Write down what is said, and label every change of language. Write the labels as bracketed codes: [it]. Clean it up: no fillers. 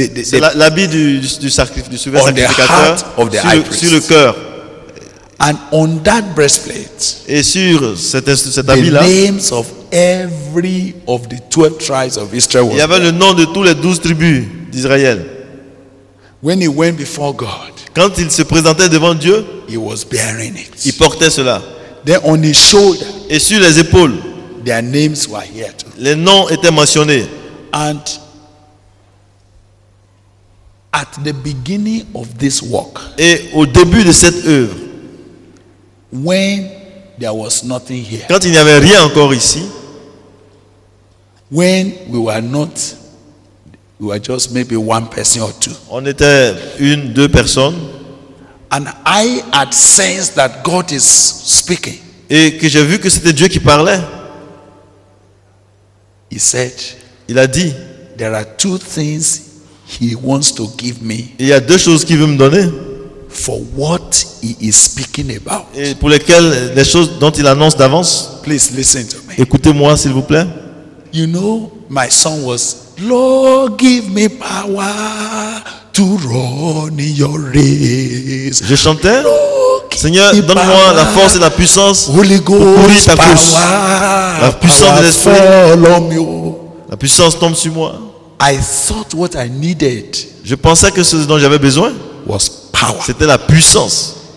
[fr] C'est l'habit du sacrifice, du souverain sacrificateur sur le cœur. [en] And on that breastplate, [fr] et sur cet habit-là, [en] the names of every of the 12 tribes of Israel. [fr] Il y avait le nom de tous les 12 tribus d'Israël. [en] When he went before God, [fr] quand il se présentait devant Dieu, [en] he was bearing it. [fr] Il portait cela. [en] Then on his shoulder, [fr] et sur les épaules, [en] their names were here too. [fr] Les noms étaient mentionnés. [en] And at the beginning of this work, [fr] et au début de cette œuvre, [en] when there was nothing here, [fr] quand il n'y avait rien encore ici, [en] when we were not, we were just maybe one person or two. [fr] On était une, deux personnes. [en] And I had sensed that God is speaking. [fr] Et que j'ai vu que c'était Dieu qui parlait. [en] He said, [fr] il a dit, [en] there are two things he wants to give me. [fr] Il y a deux choses qu'il veut me donner. [en] For what he is speaking about. [fr] Et pour lesquelles, les choses dont il annonce d'avance. [en] Please listen to me. [fr] Écoutez-moi, s'il vous plaît. [en] You know, my son was, Lord, give me power to run in your race. [fr] Je chantais, Seigneur, donne-moi la force et la puissance [en] Holy Ghost [fr] pour courir ta [en] power, [fr] course. La puissance [en] power [fr] de l'esprit. La puissance tombe sur moi. [en] I thought what I needed. [fr] Je pensais que ce dont j'avais besoin [en] was power. [fr] C'était la puissance.